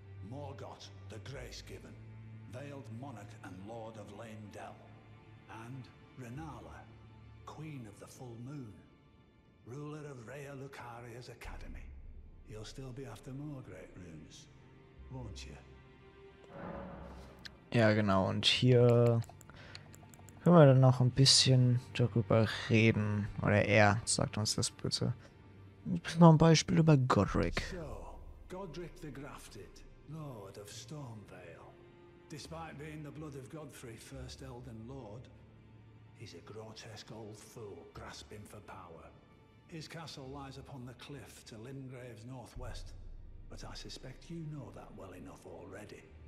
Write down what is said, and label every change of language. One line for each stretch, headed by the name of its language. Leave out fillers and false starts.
English: Morgoth, the Grace Given, Veiled Monarch and Lord of Laemdel. And Rinala, Queen of the Full Moon, ruler of Rhea Lucaria's Academy. You'll still be after more great runes, won't you?
German: Ja, genau, und hier können wir dann noch ein bisschen darüber reden. Oder er sagt uns das bitte. Noch ein Beispiel über Godric.
English: So, Godric the Grafted, Lord of Stormvale. Despite being the blood of Godfrey, first Elden Lord, he's a grotesque old fool grasping for power. His castle lies upon the cliff to Limgrave's northwest, but I suspect you know that well enough already.